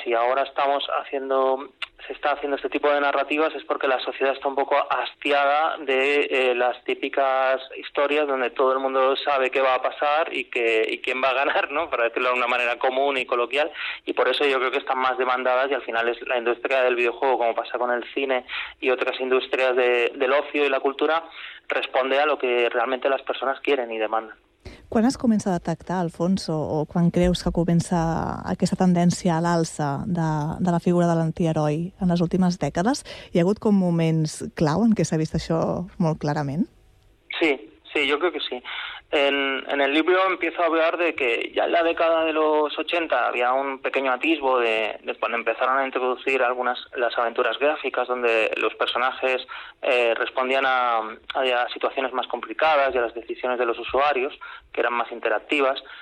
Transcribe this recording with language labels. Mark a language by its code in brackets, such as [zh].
[es] Si ahora estamos haciendo, se está haciendo este tipo de narrativas, es porque la sociedad está un poco hastiada de las típicas historias donde todo el mundo sabe qué va a pasar y quién va a ganar, ¿no? Para decirlo de una manera común y coloquial, y por eso yo creo que están más demandadas, y al final es la industria del videojuego, como pasa con el cine y otras industrias del ocio y la cultura, responde a lo que realmente las personas quieren y demandan. [ca] Quan es comença a detectar, Alfonso, o quan creus que comença aquesta tendència a l'alça de la figura de l'antiheroi en les últimes dècades, hi ha hagut com moments clau en què s'ha vist això molt clarament? Sí, sí, jo crec que sí. [es] En el libro empiezo a hablar de que ya en la década de los 80 había un pequeño atisbo de cuando empezaron a introducir algunas las aventuras gráficas donde los personajes respondían a situaciones más complicadas y a las decisiones de los usuarios, que eran más interactivas.